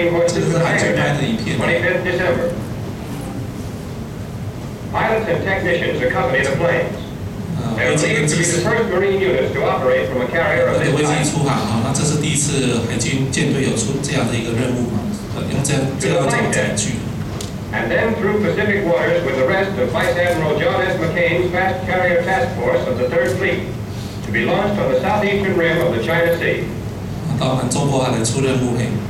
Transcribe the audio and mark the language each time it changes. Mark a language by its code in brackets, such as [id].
[zh] 这个是海军拍的影片。飞机出航啊，那这是第一次海军舰队有出这样的一个任务嘛？用这样的载具。 [en] And then through Pacific waters with the rest of Vice Admiral John S. McCain's fast carrier task force of the Third Fleet to be launched on the southeastern rim of the China Sea。 [zh] 到我们中国海来出任务嘿。